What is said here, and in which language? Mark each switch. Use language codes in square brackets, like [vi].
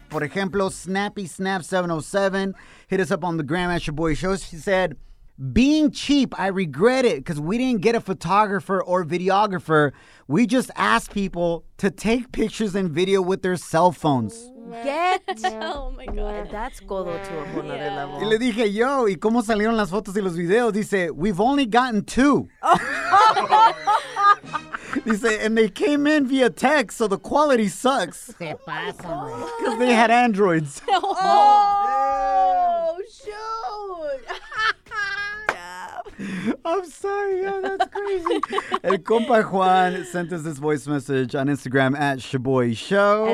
[es] Por ejemplo, [en] Snappy Snap 707 hit us up on the gram at Shoboy Show. She said, being cheap, I regret it because we didn't get a photographer or videographer. We just asked people to take pictures and video with their cell phones. Oh my god, that's [es] codo [en] to another level. [es] Y le dije, yo, ¿y cómo salieron las fotos y los videos? [en] Dice, we've only gotten two. Dice, and they came in via text, so the quality sucks. [es] Se pasa, man. [en] Because they had Androids. Oh, shoot. I'm sorry, yo, that's crazy. [es] El compa [en] Juan sent us this voice message on Instagram at Shoboy Show.